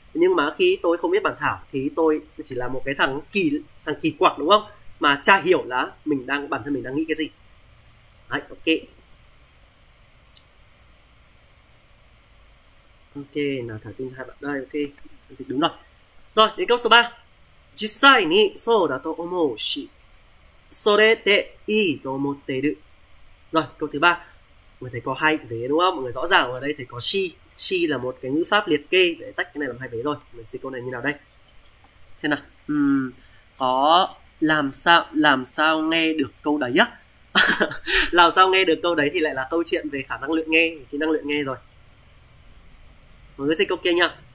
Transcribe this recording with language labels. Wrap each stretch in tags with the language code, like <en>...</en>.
<vi>Nhưng mà khi tôi không biết bản thảo thì tôi chỉ là một cái thằng kỳ quặc đúng không? Mà chả hiểu là bản thân mình đang nghĩ cái gì. Đấy, ok. Ok, nào thả tin cho hai bạn đây, ok. Dịch đúng rồi. Rồi, đến câu số 3.</vi> <ja>実際にそうだと思うし、それでいいと思ってる。</ja> <vi>Rồi, câu thứ 3. Mình thấy có hai vế đúng không? Mọi người rõ ràng ở đây thấy có she. She là một cái ngữ pháp liệt kê để tách cái này làm hai vế rồi. Mình dịch câu này như nào đây? Xem nào. Có làm sao nghe được câu đấy á? Làm sao nghe được câu đấy thì lại là câu chuyện về khả năng luyện nghe, kỹ năng luyện nghe rồi. Mọi người dịch câu kia nha.</vi>